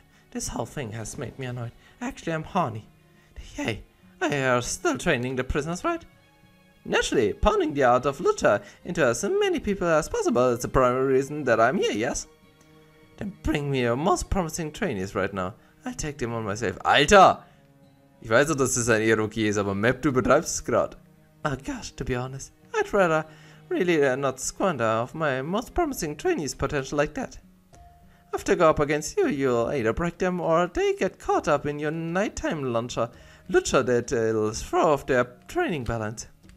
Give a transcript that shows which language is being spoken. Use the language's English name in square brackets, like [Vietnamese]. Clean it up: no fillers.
[English] This whole thing has made me annoyed. Actually, I'm horny. Hey, I are still training the prisoners, right? Naturally, pounding the art of lucha into as many people as possible is the primary reason that I'm here, yes? Then bring me your most promising trainees right now. I'll take them on myself. [German] Alter! Ich weiß auch, dass das ein Eroki ist, aber Map, du betreibst es gerade. [English] Oh gosh, to be honest, I'd rather really not squander off my most promising trainees potential like that. If they go up against you, you'll either break them or they get caught up in your nighttime luncher. Lucha that will throw off their training balance.